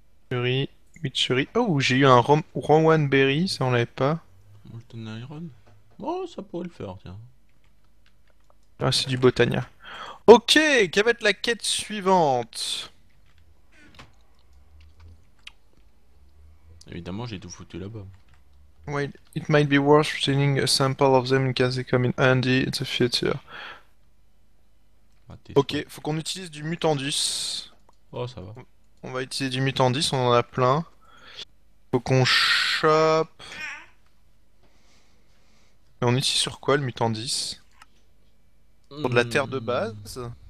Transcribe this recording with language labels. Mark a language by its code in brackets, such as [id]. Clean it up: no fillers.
[fr] Witchery, witchery. Oh, j'ai eu un Rowan Berry, ça on l'avait pas. [en] Iron. [fr] Oh, ça pourrait le faire, tiens. Ah, c'est du Botania. Ok, quelle va être la quête suivante? Évidemment, j'ai tout foutu là-bas. [en] Wait, it might be worth retaining a sample of them in case they come in handy in the future. [fr] Bah, t'es Ok, sûr. faut qu'on utilise du Mutandus. Oh, ça va. On va utiliser du Mutandis, on en a plein. Faut qu'on chope. Et on utilise sur quoi le Mutandis? Pour de la terre de base?